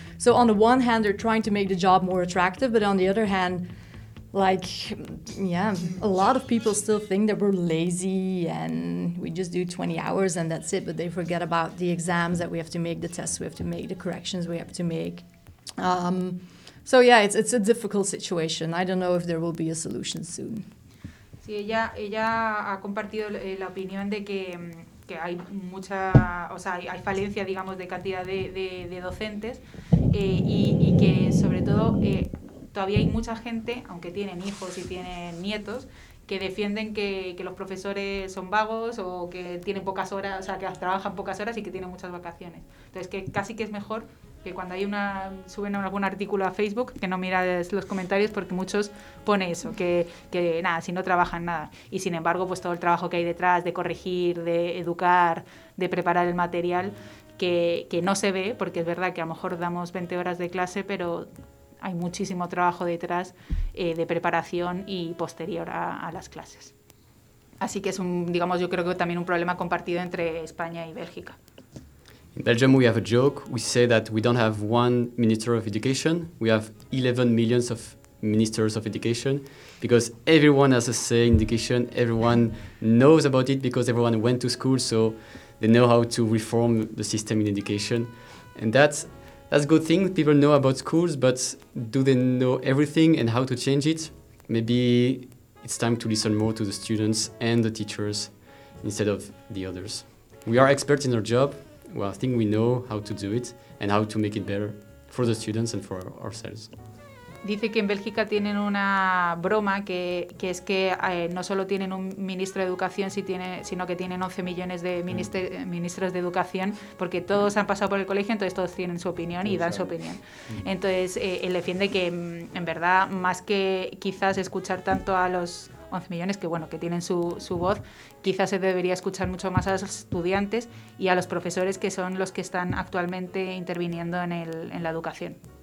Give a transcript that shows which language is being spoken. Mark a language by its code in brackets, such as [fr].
[en] So on the one hand, they're trying to make the job more attractive, but on the other hand, like, yeah, a lot of people still think that we're lazy and we just do 20 hours and that's it, but they forget about the exams that we have to make, the tests we have to make, the corrections we have to make. So yeah, it's a difficult situation. I don't know if there will be a solution soon. [es] Sí, ella ha compartido la opinión de que hay mucha, o sea, hay falencia, digamos, de cantidad de docentes, y que sobre todo todavía hay mucha gente, aunque tienen hijos y tienen nietos, que defienden que los profesores son vagos o que tienen pocas horas, o sea, que trabajan pocas horas y que tienen muchas vacaciones. Entonces, que casi que es mejor que cuando hay una suben algún artículo a Facebook, que no mires los comentarios, porque muchos pone eso, que nada, si no trabajan nada. Y sin embargo, pues todo el trabajo que hay detrás de corregir, de educar, de preparar el material, que no se ve, porque es verdad que a lo mejor damos 20 horas de clase, pero hay muchísimo trabajo detrás de preparación y posterior a las clases. Así que es un, digamos, yo creo que también un problema compartido entre España y Bélgica. [en] In Belgium, we have a joke. We say that we don't have one minister of education. We have 11 millions of ministers of education because everyone has a say in education. Everyone knows about it because everyone went to school, so they know how to reform the system in education. And that's a good thing. People know about schools, but do they know everything and how to change it? Maybe it's time to listen more to the students and the teachers instead of the others. We are experts in our job. Well, I think we know how to do it and how to make it better for the students and for ourselves. [es] Dice que en Bélgica tienen una broma que es que no solo tienen un ministro de educación, sino que tienen 11 millones de ministros de educación, porque todos han pasado por el colegio, entonces todos tienen su opinión y dan su opinión. Entonces, él defiende que, en verdad, más que quizás escuchar tanto a los 11 millones, que bueno, que tienen su voz, quizás se debería escuchar mucho más a los estudiantes y a los profesores, que son los que están actualmente interviniendo en la educación.